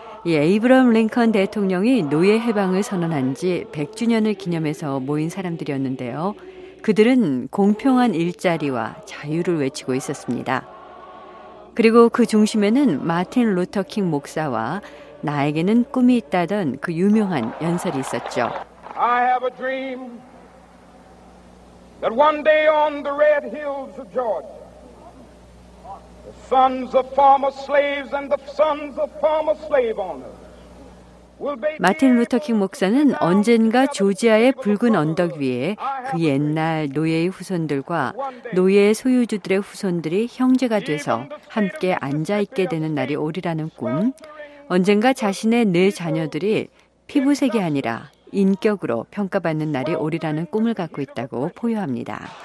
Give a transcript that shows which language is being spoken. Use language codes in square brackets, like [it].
[ko] 이 에이브럼 링컨 대통령이 노예 해방을 선언한 지 100주년을 기념해서 모인 사람들이었는데요. 그들은 공평한 일자리와 자유를 외치고 있었습니다. 그리고 그 중심에는 마틴 루터킹 목사와 나에게는 꿈이 있다던 그 유명한 연설이 있었죠. [en] I have a dream that one day on the red hills of Georgia, the sons of former slaves and the sons of former slave owners. [ko] 마틴 루터킹 목사는 언젠가 조지아의 붉은 언덕 위에 그 옛날 노예의 후손들과 노예의 소유주들의 후손들이 형제가 돼서 함께 앉아있게 되는 날이 오리라는 꿈, 언젠가 자신의 네 자녀들이 피부색이 아니라 인격으로 평가받는 날이 오리라는 꿈을 갖고 있다고 포효합니다.